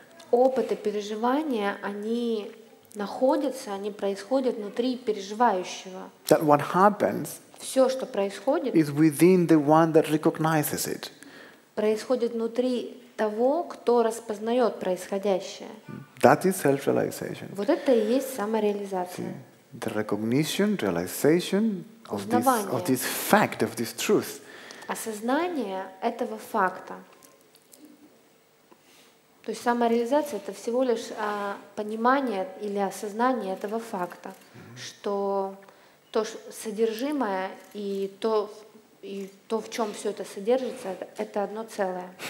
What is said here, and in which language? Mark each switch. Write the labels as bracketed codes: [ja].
[ru] Опыты, переживания, они находятся, они происходят внутри переживающего. [en] That what happens [ru] все, что происходит, [en] is within the one that recognizes it. [ru] Происходит внутри того, кто распознает происходящее. [en] That is self-realization. [ru] Вот это и есть самореализация. [en] The recognition, realization of this fact, of this truth. [ru] Осознание этого факта. То есть самореализация — это всего лишь понимание или осознание этого факта, что то содержимое и то, и то, в чем все это содержится, это одно целое.